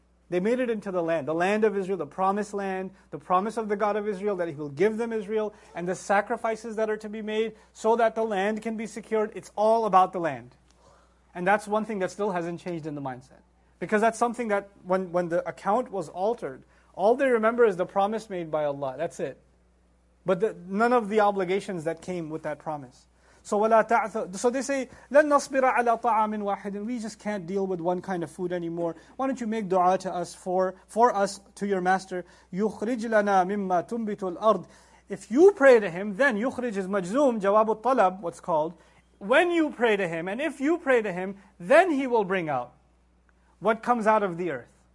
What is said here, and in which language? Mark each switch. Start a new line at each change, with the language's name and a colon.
English: They made it into the land of Israel, the promised land, the promise of the God of Israel that He will give them Israel, and the sacrifices that are to be made so that the land can be secured. It's all about the land. And that's one thing that still hasn't changed in the mindset. Because that's something that when the account was altered, all they remember is the promise made by Allah. That's it. But none of the obligations that came with that promise. So they say,
Arabic: لَن نَصْبِرَ عَلَىٰ طَعَامٍ وَاحِدٍ.
English: We just can't deal with one kind of food anymore. Why don't you make dua to us for us to your master?
Arabic: يُخْرِجْ لَنَا مِمَّا تُنْبِتُ الْأَرْضِ.
English: If you pray to him, then يُخْرِجْ is majzoom, جَوَابُ الطَّلَبُ, what's called. When you pray to him, and if you pray to him, then he will bring out what comes out of the earth.